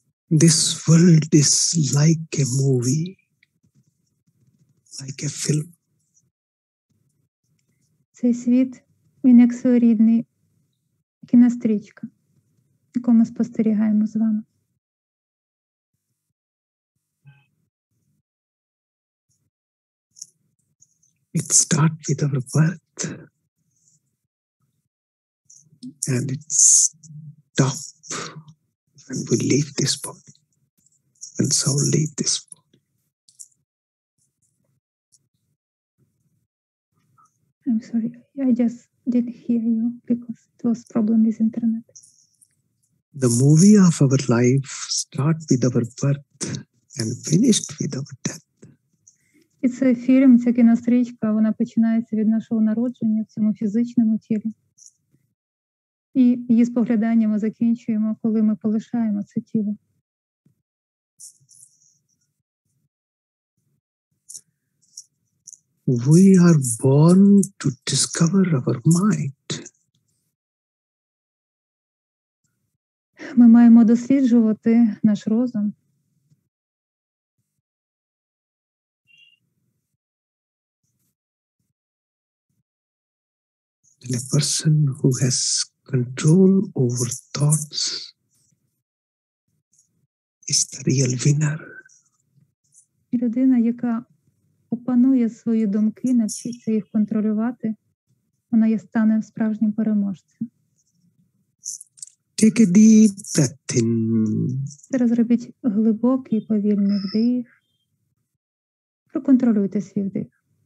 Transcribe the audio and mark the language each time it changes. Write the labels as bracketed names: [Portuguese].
[English] This world is like a movie, like a film. [Ukrainian] Цей світ, він як своєрідний кінострічка, яку ми спостерігаємо з вами. [English] It starts with our birth and it stops when we leave this body, when soul leaves this body. I'm sorry, I just didn't hear you because it was a problem with internet. The movie of our life starts with our birth and finished with our death. [Ukrainian] І цей фільм, ця кінострічка, вона починається від нашого народження в цьому фізичному тілі. І її споглядання ми закінчуємо, коли ми полишаємо це тіло. [English] We are born to discover our mind. [Ukrainian] Ми маємо досліджувати наш розум. [English] And a person who has control over thoughts is the real winner. [Ukrainian] Людина, яка опанує свої думки, навчиться їх контролювати, вона є стане справжнім переможцем. [English] Take a deep breath in. [Ukrainian] Зараз робіть глибокий, повільний вдих. Проконтролюйте свій вдих.